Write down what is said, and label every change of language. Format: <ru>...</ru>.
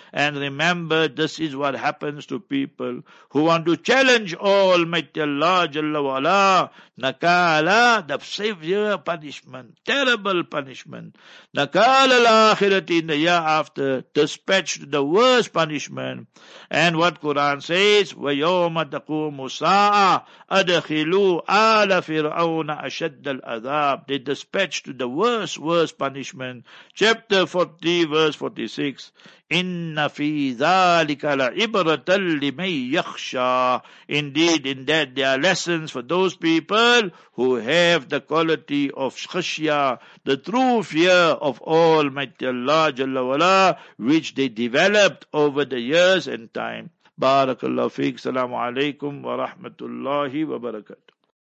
<en>And remember, this is what happens to people who want to challenge Almighty Allah Jalla Wala, Nakala, the severe punishment, terrible punishment.</en> <ar>Nakala al-akhirati,</ar> <en>in the year after, dispatched the worst punishment. And what Quran says,</en> <ar>وَيَوْمَ تَقُومُ السَّاعَةُ أَدْخِلُوا آلَ فِرْعَوْنَ أَشَدَّ الْعَذَابِ.</ar> <en>They dispatched the worst, worst punishment. Chapter 40, verse 46.</en> <ar>إِنَّ فِي ذَٰلِكَ لَعِبْرَةً لِمَنْ يَخْشَىٰ.</ar> <en>Indeed, in that there are lessons for those people who have the quality of خَشْيَىٰ, the true fear of Almighty Allah Jalla Wala, which they developed over the years and time.</en> <ar>بارك الله فيك. السلام عليكم ورحمة الله وبركاته.</ar>